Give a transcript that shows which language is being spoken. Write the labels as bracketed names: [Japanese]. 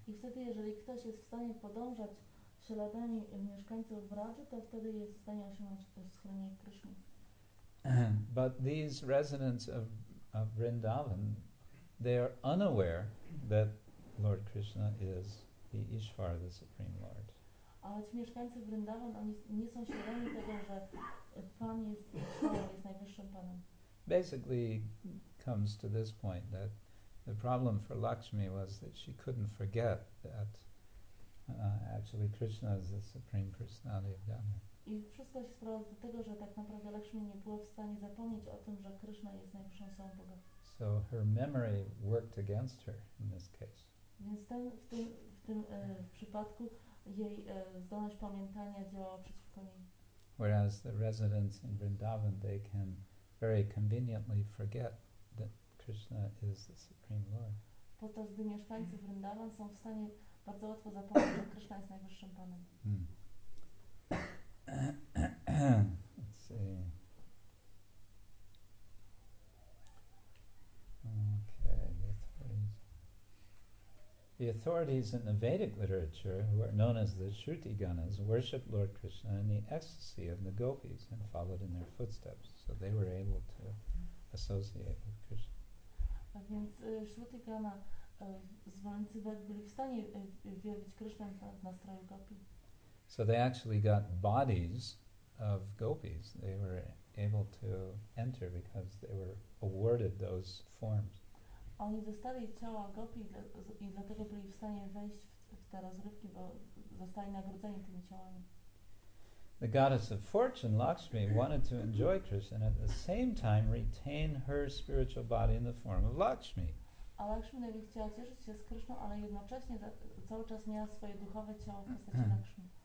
[Polish] I wtedy, jeżeli ktoś jest w stanie podążać śladami mieszkańców Braży, to wtedy jest w stanie osiągnąć schronienie Krishna. [English] But these residents of Vrindavan, they are unaware that Lord Krishna is the Ishvara, the Supreme Lord. [Polish] Ale ci mieszkańcy Vrindavan, oni nie są świadomi tego, że Pan jest Ishvara, jest najwyższym Panem. [English] Basically comes to this point that the problem for Lakshmi was that she couldn't forget that actually Krishna is the Supreme Personality of Godhead. [Polish] I wszystko się sprowadza do tego, że tak naprawdę Lakshmi nie była w stanie zapomnieć o tym, że Krishna jest najwyższą osobą Boga. [English] So her memory worked against her in this case. [Polish] Więc w tym przypadku jej zdolność pamiętania działała przeciwko niej. [English] Whereas the residents in Vrindavan, they can very conveniently forget that Krishna is the Supreme Lord. [Polish] Podczas gdy mieszkańcy Vrindavan są w stanie bardzo łatwo zapomnieć, że Krishna jest najwyższym Panem. [English] Let's see. Okay. The authorities in the Vedic literature, who are known as the Shruti Ganas, worshipped Lord Krishna in the ecstasy of the gopis and followed in their footsteps. So they were able to associate with Krishna. [Polish] A więc Shruti Gana, zwolennicy Ved, byli w stanie wielbić Krishna w nastroju gopi. [English] So they actually got bodies of gopis. They were able to enter because they were awarded those forms. [Polish] Oni dostali ciała gopi i dlatego byli w stanie wejść w te rozrywki, bo zostali nagrodzeni tymi ciałami. [English] The goddess of fortune, Lakshmi, wanted to enjoy Krishna and at the same time retain her spiritual body in the form of Lakshmi. [Polish] A Lakshmi najpierw chciała cieszyć się z Krishną, ale jednocześnie cały czas miała swoje duchowe ciało w postaci Lakshmi.